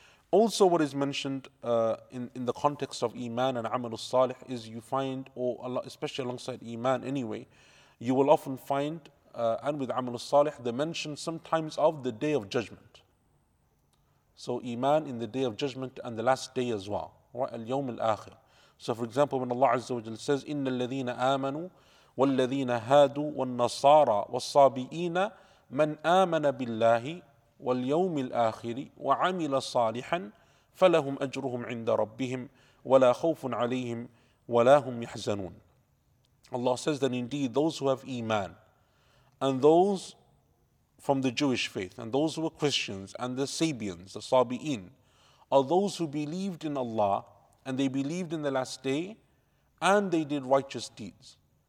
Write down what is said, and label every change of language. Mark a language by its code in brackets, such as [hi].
[en] Also, what is mentioned in the context of Iman and Amal al-Salih is you find, or Allah, especially alongside Iman anyway, you will often find, and with Amal al-Salih, the mention sometimes of the Day of Judgment. So Iman in the Day of Judgment and the last day as well. [ar] اليوم الآخر. [en] So for example, when Allah Azza wa Jalla says, [ar] إِنَّ الَّذِينَ آمَنُوا وَالَّذِينَ هَادُوا وَالنَّصَارَى وَالصَّابِئِينَ مَنْ آمَنَ بِاللَّهِ وَالْيَوْمِ الْآخِرِ وَعَمِلَ صَالِحًا فَلَهُمْ أَجْرُهُمْ عِنْدَ رَبِّهِمْ وَلَا خَوْفٌ عَلَيْهِمْ وَلَا هُمْ يَحْزَنُونَ. [en] Allah says that indeed those who have Iman, and those from the Jewish faith, and those who are Christians, and the Sabians, the Sabi'een, are those who believed in Allah, and they believed in the last day, and they did righteous deeds.